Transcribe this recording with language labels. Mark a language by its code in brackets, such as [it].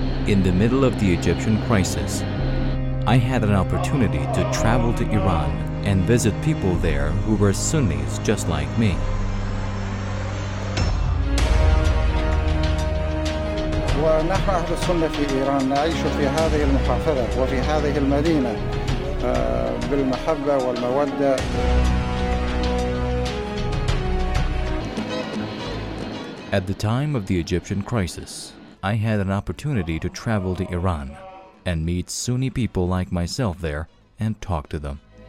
[en] In the middle of the Egyptian crisis, I had an opportunity to travel to Iran and visit people there who were Sunnis just like me. [ar] ونحن أهل السنة في إيران نعيش في هذه المحافظة وفي هذه المدينة بالمحبة والمودة. [en] At the time of the Egyptian crisis, I had an opportunity to travel to Iran and meet Sunni people like myself there and talk to them.